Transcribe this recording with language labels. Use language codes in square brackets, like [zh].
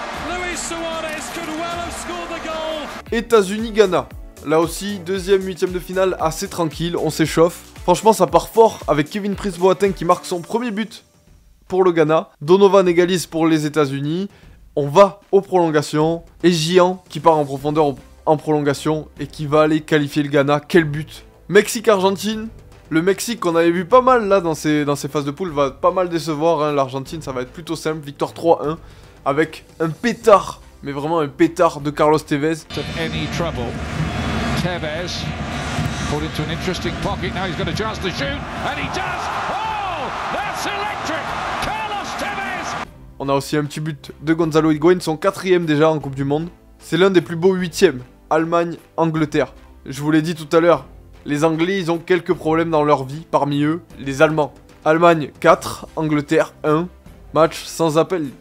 [en] Luis Suarez could well have scored the goal. [fr] États-Unis-Ghana, là aussi, deuxième huitième de finale, assez tranquille, on s'échauffe. Franchement, ça part fort avec Kevin Prince-Boateng qui marque son premier but pour le Ghana. Donovan égalise pour les États-Unis. On va aux prolongations. Et Gian qui part en profondeur en prolongation et qui va aller qualifier le Ghana. Quel but! Mexique-Argentine. Le Mexique qu'on avait vu pas mal là dans ces phases de poule va pas mal décevoir. Hein. L'Argentine, ça va être plutôt simple. Victoire 3-1 avec un pétard, mais vraiment un pétard de Carlos Tevez. [en] Tevez put into an interesting pocket. Now he's got a chance to shoot, and he does. Oh, that's electric, Carlos Tevez. [fr] On a aussi un petit but de Gonzalo Higuain, son quatrième déjà en Coupe du Monde. C'est l'un des plus beaux huitièmes. Allemagne, Angleterre. Je vous l'ai dit tout à l'heure, les Anglais, ils ont quelques problèmes dans leur vie. Parmi eux, les Allemands. Allemagne 4, Angleterre 1. Match sans appel.